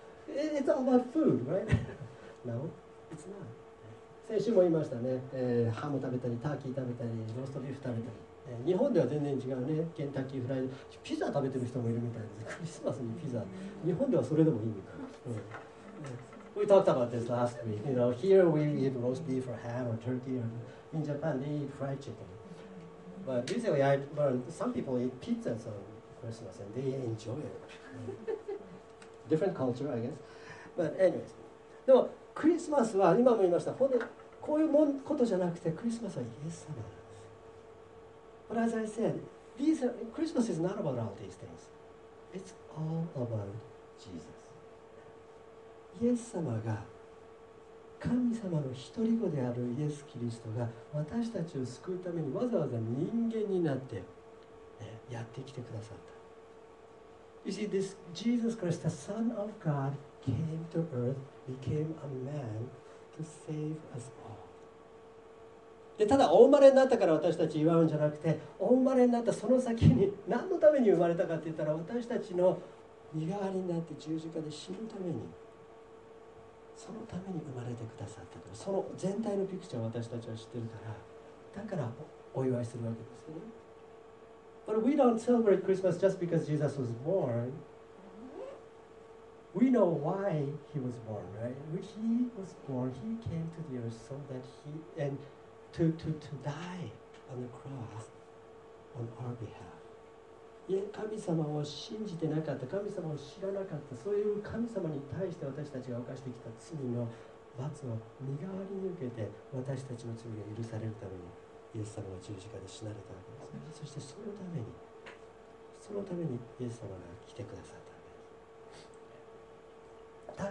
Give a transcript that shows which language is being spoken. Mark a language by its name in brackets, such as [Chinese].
[English] It's all about food, right? No, it's not. [Japanese] 先週も言いましたね、ハム食べたり、ターキー食べたり、ローストビーフ食べたり、日本では全然違うね。ケンタッキーフライド、ピザ食べてる人もいるみたいです。クリスマスにピザ、日本ではそれでもいいみたいな。 [English] We talked about this last week. You know, here we eat roast beef or ham or turkey. In Japan, they eat fried chicken. But recently I learned some people eat pizzas on Christmas and they enjoy it. Different culture, I guess. But anyways. [Japanese] でもクリスマスは今も言いました。本当こういうもんことじゃなくてクリスマスはイエス様なんです。 [English] But as I said, Christmas is not about all these things. It's all about Jesus. [Japanese] イエス様が神様の一人子であるイエス・キリストが私たちを救うためにわざわざ人間になって、ね、やってきてくださった。 [English] You see, this Jesus Christ, the Son of God, came to earth, became a man to save us all. [Japanese] で、ただお生まれになったから私たち祝うんじゃなくて、お生まれになったその先に何のために生まれたかって言ったら、私たちの身代わりになって十字架で死ぬために、そのために生まれてくださったと。その全体のピクチャーを私たちは知ってるから、だからお祝いするわけですね。 [English] But we don't celebrate Christmas just because Jesus was born. We know why he was born, right? He was born, he came to the earth so that he and to die on the cross on our behalf. [Japanese] いや、神様を信じてなかった、神様を知らなかった、そういう神様に対して私たちが犯してきた罪の罰を身代わりに受けて、私たちの罪が許されるためにイエス様は十字架で死なれたわけですね。そしてそのためにイエス様が来てくださったわけです。